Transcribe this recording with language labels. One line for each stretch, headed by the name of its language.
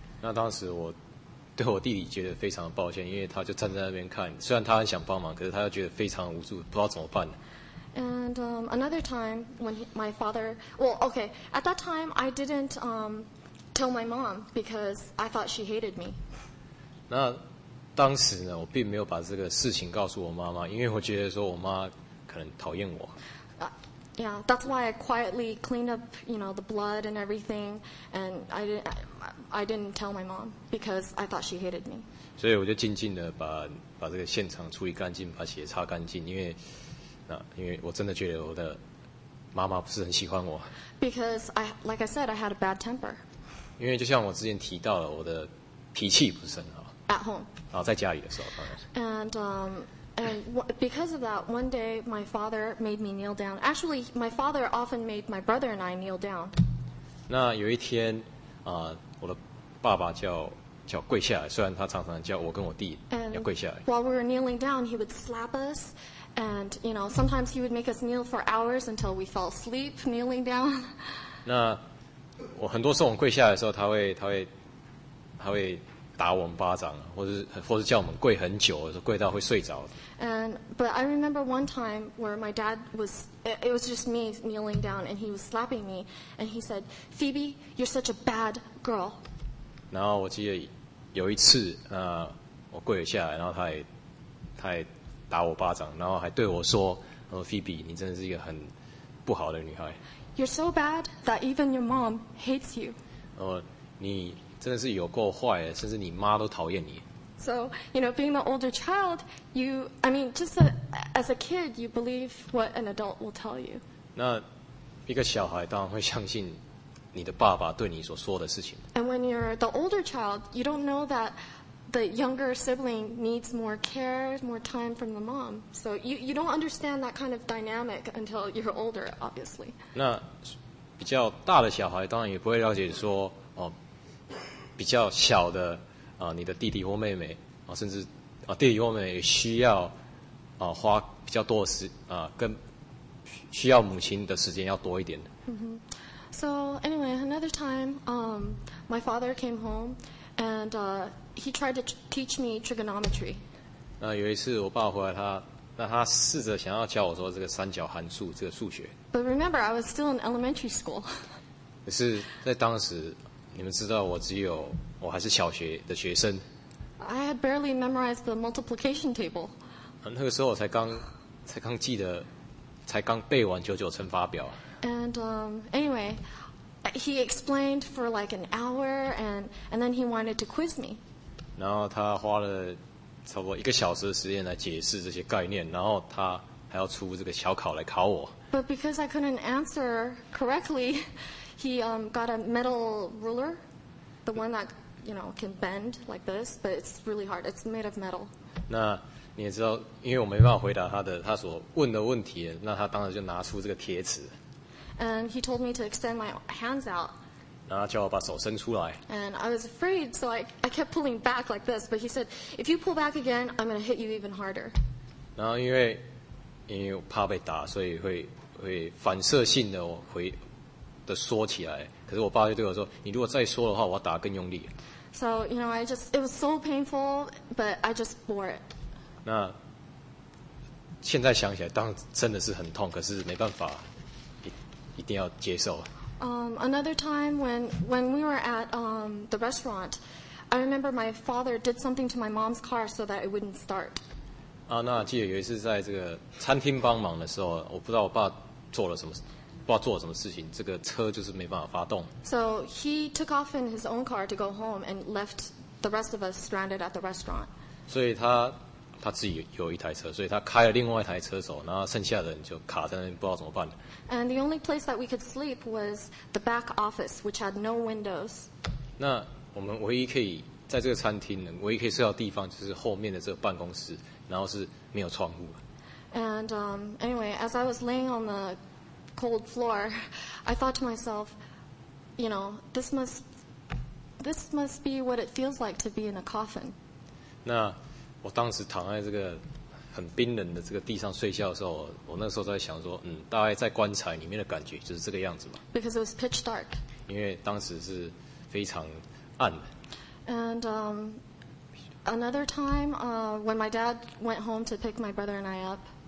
Chinese: 那当时我对我弟弟觉得非常抱歉，因为他就站在那边看。虽然他很想帮忙，可是他又觉得非常无助，不知道怎么办。
English: And another time when my father, well, okay, at that time I didn't tell my mom because I thought she hated me.
Chinese: 那当时呢，我并没有把这个事情告诉我妈妈，因为我觉得说我妈可能讨厌我。
English: Yeah, that's why I quietly cleaned up, you know, the blood and everything, and I didn't tell my mom because I thought she hated me.
Chinese: 所以我就静静的把这个现场处理干净，把血擦干净，因为我真的觉得我的妈妈不是很喜欢我。
English: Because like I said, I had a bad temper.
Chinese: 因为就像我之前提到了，我的脾气不是很好。
English: At home.
Chinese: 在家里的时候。
English: And because of that, one day my father made me kneel down. Actually, my father often made my brother and I kneel down.
Chinese: 那有一天，我的爸爸叫跪下来，虽然他常常叫我跟我弟要跪下来。
English: And while we were kneeling down, he would slap us, and you know, sometimes he would make us kneel for hours until we fell asleep kneeling down.
Chinese: 那我很多时候我跪下来的时候，他会打我们巴掌，或是叫我们跪很久，跪到会睡着。
English: But I remember one time where my dad was, it was just me kneeling down, and he was slapping me, and he said, "Phoebe, you're such a bad girl."
Chinese: 然后我记得有一次，我跪了下来，然后他也打我巴掌，然后还对我说，Phoebe, 你真的是一个很不好的女孩。
English: You're so bad that even your mom hates you.
Chinese: 你真的是有够坏的，甚至你妈都讨厌你。
English: So, you know, being the older child, just as a kid, you believe what an adult will tell you.
Chinese: 那一个小孩当然会相信你的爸爸对你所说的事情。
English: And when you're the older child, you don't know that the younger sibling needs more care, more time from the mom. So you don't understand that kind of dynamic until you're older, obviously.
Chinese: 那比较大的小孩当然也不会了解说比较小的你的弟弟或妹妹甚至弟弟或妹妹也需要花比较多的时跟需要母亲的时间要多一点。
English: So anyway, another time, my father came home, and he tried to teach me trigonometry.
Chinese: 有一次我爸回来，他试着想要教我说这个三角函数这个数学。
English: But remember, I was still in elementary school.
Chinese: 可是，在当时，你们知道我还是小学的学生。
English: I had barely memorized the multiplication table.
Chinese: 那个时候我才刚记得，才刚背完九九乘法表。
English: And anyway, he explained for like an hour, and then he wanted to quiz me.
Chinese: 然后他花了差不多一个小时的时间来解释这些概念，然后他还要出这个小考来考我。
English: But because I couldn't answer correctly, he got a metal ruler, the one that you know can bend like this, but it's really hard. It's made of metal.
Chinese: 那你也知道，因为我没办法回答他所问的问题，那他当时就拿出这个铁尺。
English: And he told me to extend my hands out.
Chinese: 然后叫我把手伸出来。
English: And I was afraid, so I kept pulling back like this. But he said, if you pull back again, I'm going to hit you even harder.
Chinese: 然后因为我怕被打，所以会反射性的缩起来。可是我爸就对我说，你如果再缩的话，我要打更用力。
English: So you know, it was so painful, but I just bore it.
Chinese: 那现在想起来，当真的是很痛，可是没办法。一定要接受。
English: Another time when we were at the restaurant, I remember my father did something to my mom's car so that it wouldn't start.
Chinese: 那记得有一次在这个餐厅帮忙的时候，我不知道我爸做了什么，事情，这个车就是没办法发动。
English: So he took off in his own car to go home and left the rest of us stranded at the restaurant.
Chinese: 所以他自己有一台车，所以他开了另外一台车走，然后剩下的人就卡在那边，不知道怎么办。
English: And the only place that we could sleep was the back office, which had no windows.
Chinese: 那我们唯一可以在这个餐厅，唯一可以睡到的地方就是后面的这个办公室，然后是没有窗户。
English: And anyway, as I was laying on the cold floor, I thought to myself, you know, this must be what it feels like to be in a coffin.
Chinese: 那我当时躺在这个很冰冷的这个地上睡觉的时候，我那时候在想说，大概在棺材里面的感觉就是这个样子嘛。
English: Because it was pitch dark.
Chinese: 因为当时是非常暗的。
English: And another time, when my dad went home to pick my brother and I up.